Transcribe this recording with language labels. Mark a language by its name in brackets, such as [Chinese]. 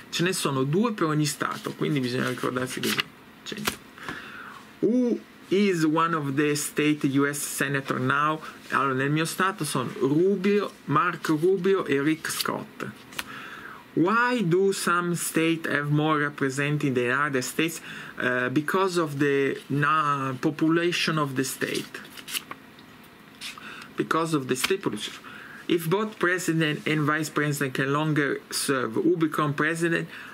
[Italian] Ce ne sono 2 per ogni stato, quindi bisogna ricordarsi così. 100. [English] Who is one of the state U.S. senator now? [Italian] Allora, nel mio stato sono Rubio, Mark Rubio e Rick Scott. [English] Why do some states have more representatives than other states? Because of the population of the state. Because of the state population. If both president and vice president can longer serve, who become president?